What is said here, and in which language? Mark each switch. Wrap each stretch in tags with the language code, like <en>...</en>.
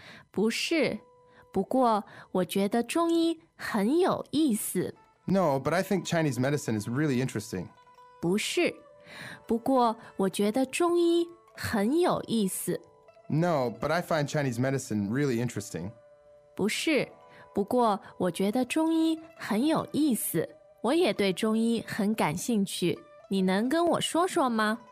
<zh>不是,不过我觉得中医很有意思。</zh> <en>No, but I think Chinese medicine is really interesting.</en> <zh>不是,不过我觉得中医很有意思。</zh> <en>No, but I find Chinese medicine really interesting.</en> <zh>不是,不过我觉得中医很有意思,我也对中医很感兴趣,你能跟我说说吗?</zh>